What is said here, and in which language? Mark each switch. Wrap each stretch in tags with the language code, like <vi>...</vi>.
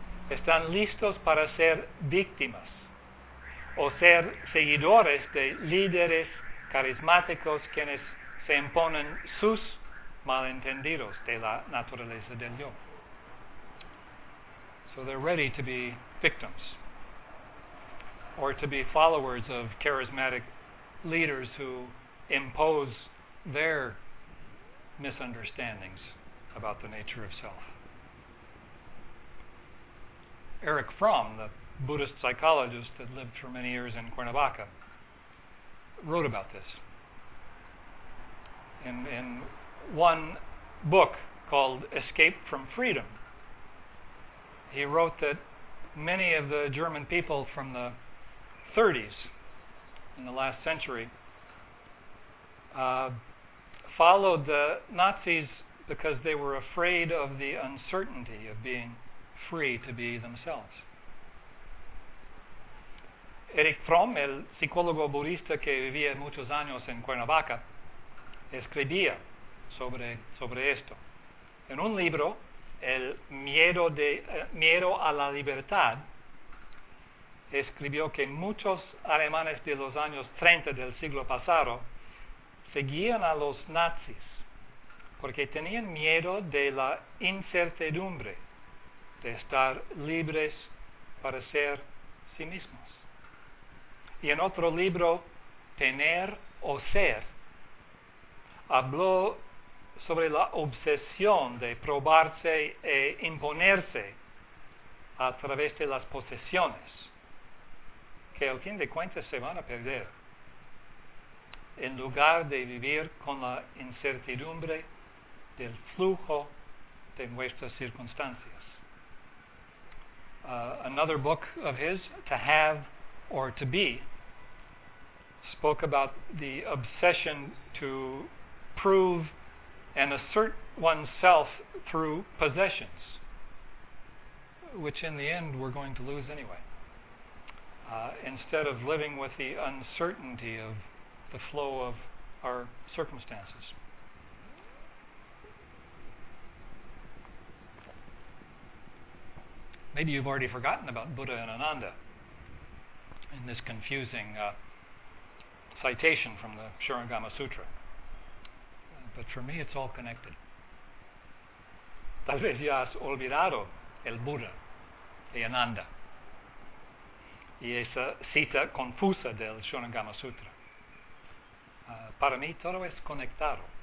<es>Están listos para ser víctimas o ser seguidores de líderes carismáticos quienes se imponen sus malentendidos de la naturaleza del yo.</es> <en>So they're ready to be victims or to be followers of charismatic leaders who impose their misunderstandings about the nature of self. Eric Fromm, the Buddhist psychologist that lived for many years in Cuernavaca, wrote about this in one book called Escape from Freedom. He wrote that many of the German people from the 30s in the last century followed the Nazis because they were afraid of the uncertainty of being free to be themselves.</en> <es>Erich Fromm, el psicólogo budista que vivía muchos años en Cuernavaca, escribía sobre esto. En un libro, El miedo de miedo a la libertad, escribió que muchos alemanes de los años 30 del siglo pasado seguían a los nazis porque tenían miedo de la incertidumbre de estar libres para ser sí mismos. Y en otro libro, Tener o Ser, habló sobre la obsesión de probarse e imponerse a través de las posesiones, que al fin de cuentas se van a perder, en lugar de vivir con la incertidumbre del flujo de nuestras circunstancias.</es> <en>Another book of his, To Have or To Be, spoke about the obsession to prove and assert oneself through possessions, which in the end we're going to lose anyway, instead of living with the uncertainty of the flow of our circumstances. Maybe you've already forgotten about Buddha and Ananda in this confusing citation from the Sharingama Sutra. But for me, it's all connected.</en> <es>Tal vez ya has olvidado el Buda y Ananda. y esa cita confusa del Shonagama Sutra. Para mí todo es conectado.</es>